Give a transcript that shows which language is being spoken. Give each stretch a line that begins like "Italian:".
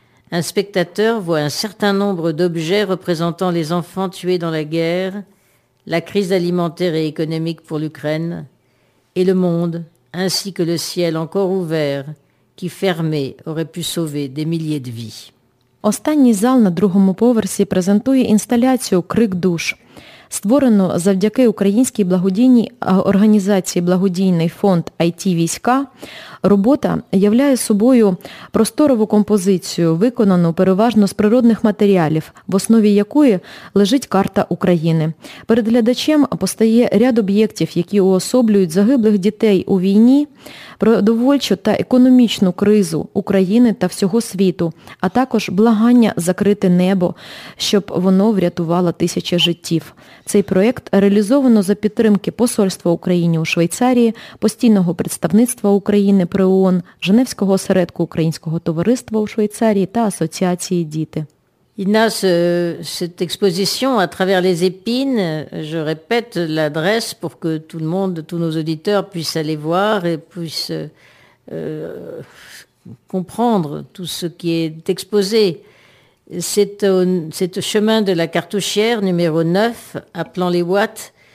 French: Un spectateur voit un certain nombre d'objets représentant les enfants tués dans la guerre, la crise alimentaire et économique pour l'Ukraine, et le monde, ainsi que le ciel encore ouvert, qui fermé aurait pu sauver des milliers de vies.
Ukrainian: Останній зал на другому поверсі презентує інсталяцію «Крик душ», створену завдяки українській благодійній організації благодійний фонд IT-війська. Робота являє собою просторову композицію, виконану переважно з природних матеріалів, в основі якої лежить карта України. Перед глядачем постає ряд об'єктів, які уособлюють загиблих дітей у війні, продовольчу та економічну кризу України та всього світу, а також благання закрити небо, щоб воно врятувало тисячі життів. Цей проєкт реалізовано за підтримки посольства України у Швейцарії, постійного представництва України при ООН, Женевського осередку Українського товариства у Швейцарії та Асоціації «Діти».
French: Ina, cette exposition à travers les épines, je répète l'adresse pour que tout le monde, tous nos auditeurs puissent aller voir et puissent comprendre tout ce qui est exposé. C'est au chemin de la Cartouchière numéro 9 à Plan-les-Ouates.